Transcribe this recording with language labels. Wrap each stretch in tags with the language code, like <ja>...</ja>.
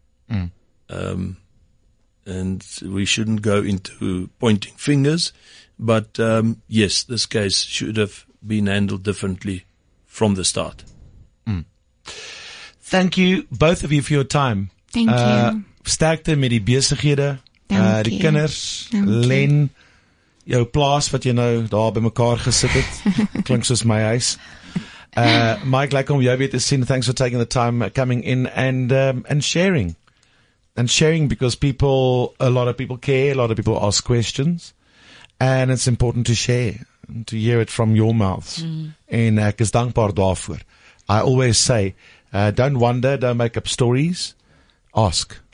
<en>Mm. And we shouldn't go into pointing fingers, but yes, this case should have been handled differently from the start. Mm. Thank you, both of you, for your time. Thank you.</en> <af>Sterkte met die besighede, die kinders, Len, jou plaas wat jy nou daar by mekaar gesit het, klink soos my huis. Mike, like on Yobit is seen.</af> <en>Thanks for taking the time coming in and sharing because a lot of people care, a lot of people ask questions, and it's important to share and to hear it from your mouths. And</en> <af>ek is dankbaar daarvoor.</af> <en>I always say, don't wonder, don't make up stories, ask.</en>